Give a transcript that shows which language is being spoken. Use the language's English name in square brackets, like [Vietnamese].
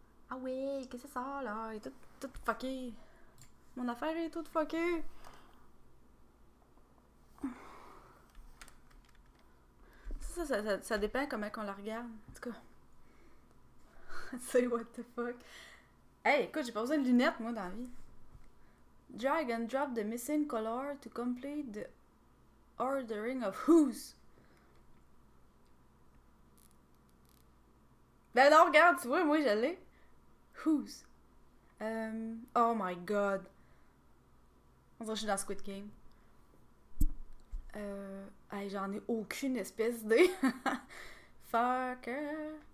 [French] Ah oui, qu'est-ce que c'est ça là? Il est tout fucké. Mon affaire est toute fuckée. Ça dépend comment on la regarde. En tout cas. [English] Say what the fuck. [French] Hey, écoute, j'ai pas besoin de lunettes moi dans la vie. [English] Drag and drop the missing color to complete the ordering of who's. [French] Ben non, regarde, tu vois, moi j'allais. Who's? [English] Oh my god. [French] On dirait que je suis dans Squid Game. Hey, j'en ai aucune espèce d'idée. Fucker.